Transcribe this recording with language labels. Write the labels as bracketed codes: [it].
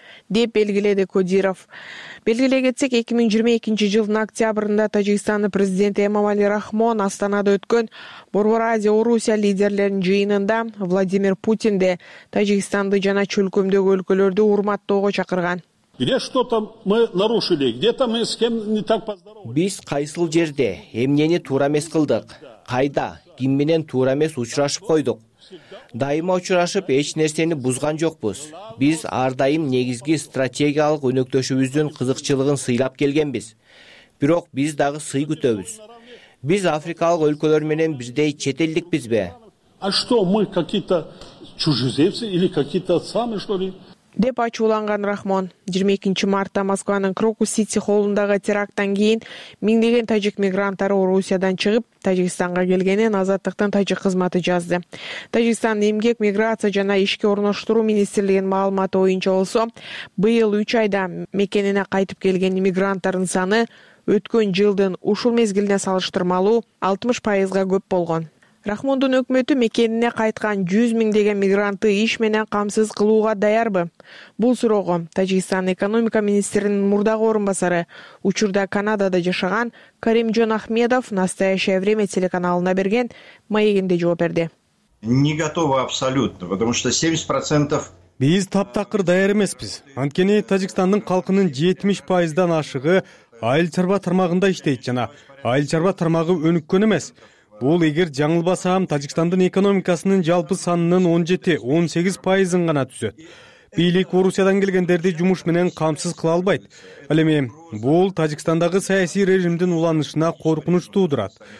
[ky] Деп белгиледи Кудиров. Белгилей кетсек, 2022 жылдын октябрында Тажикстандын президенти Эмомали Рахмон Астанада өткөн Борбор Азия Орусия лидерлерин жыйынында Владимир Путинди Тажикстанды жана чөлкөмдөгү өлкөлөрдү урматтоого чакырган. [ru] Где что-то мы нарушили, где-то мы с кем не так поздоровались. [ky] Биз кайсыл жерде эмнени туура эмес кылдык? Кайда ким менен туура эмес учурашып койдук? Дайыма учурашып эч нерсени бузган жокпуз. Биз ар дайым негизги стратегиялык өнөктөшүбүздүн кызыкчылыгын сыйлап келгенбиз. Бирок биз дагы сый күтөбүз. Биз африкалык өлкөлөр менен бирдей чет элдикпизби? [ru] А что мы какие-то чужеземцы или какие-то самые что ли? [ky] Деп ачууланган Рахмон 22 мартта Москванын Крокус Сити холундагы терактан кийин миңдеген тажик мигранттары Орусиядан чыгып Тажикстанга келгенин Азаттыктын тажик кызматы жазды. Тажикстандын эмгек, миграция жана ишке орноштуруу министрлигинин маалыматы боюнча болсо, быйыл 3 айда мекенине кайтып келген мигранттардын саны өткөн жылдын ушул мезгилине салыштырмалуу 60% көп болгон. Рахмондун өкмөтү мекенине кайткан 100 000 мигрантты иш менен камсыз кылууга даярбы? Бул суроого Тажикстандын экономика министринин мурдагы орун басары, учурда Канадада жашаган Каримжон Ахмедов Настоящее время телеканалына берген маегинде жооп берди. [ru] Не готовы абсолютно, потому что 70% [ky] биз таптакыр даяр эмеспиз. Анткени Тажикстандын калкынын 70%дан ашыгы айыл чарба тармагында иштейт жана айыл чарба тармагы өнүккөн эмес. Бул эгер жаңылбасам Тажикстандын экономикасынын жалпы санынын 17-18% гана түзөт. Бийлик Орусиядан келгендерди жумуш менен камсыз кыла албайт. Ал эми бул Тажикстандагы саясий режимдин уланышына коркунуч туудурат.